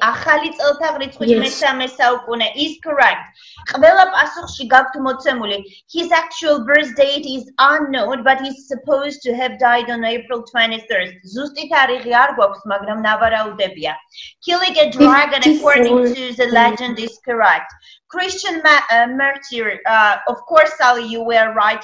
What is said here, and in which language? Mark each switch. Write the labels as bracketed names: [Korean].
[Georgian] ახალი წელთაღრიცხვის მე-3 საუკუნე. [English] Is correct. [Georgian] ყველა პასუხში გაქვთ მოცემული. [English] His actual birth date is unknown, but he's supposed to have died on April 23rd. [Georgian] ზუსტი თარიღი არ გვაქვს, მაგრამ ნავარაუდებია. [English] Killing a dragon according to the legend is correct. Christian martyr, of course, Sally, you were right.